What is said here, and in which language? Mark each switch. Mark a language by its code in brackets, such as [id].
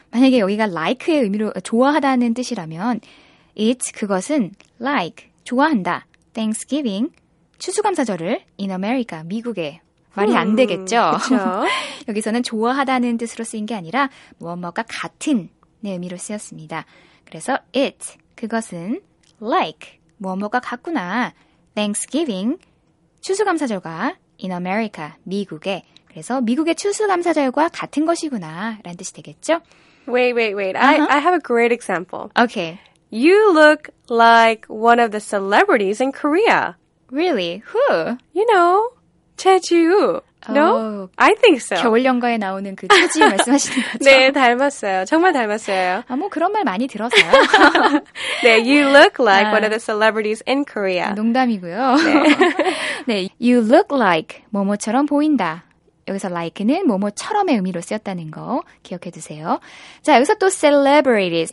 [ko] 만약에 여기가 like의 의미로 좋아하다는 뜻이라면 it's 그것은 like, 좋아한다, Thanksgiving, 추수감사절을 in America, 미국에. 말이 안 되겠죠? 여기서는 좋아하다는 뜻으로 쓰인 게 아니라 무엇무엇과 같은 네, 의미로 쓰였습니다. 그래서 it, 그것은 like, 무엇무엇과 같구나, Thanksgiving, 추수감사절과 in America, 미국에. 그래서 미국의 추수감사절과 같은 것이구나 라는 뜻이 되겠죠? [en] Wait. I have a great example. Okay. You look like one of the celebrities in Korea. Really? Who? You know, 최지우. No? I think so. [ko] 겨울 연가에 나오는 그 최지우 말씀하시는 거죠? 네, 닮았어요. 정말 닮았어요. 아, 뭐 그런 말 많이 들어서요. [en] 네, you look like 아, one of the celebrities in Korea. [ko] 농담이고요. 네. 네, [en] you look like [ko] 뭐뭐처럼 보인다. 여기서 like는 뭐뭐처럼의 의미로 쓰였다는 거 기억해 두세요. 자, 여기서 또 celebrities.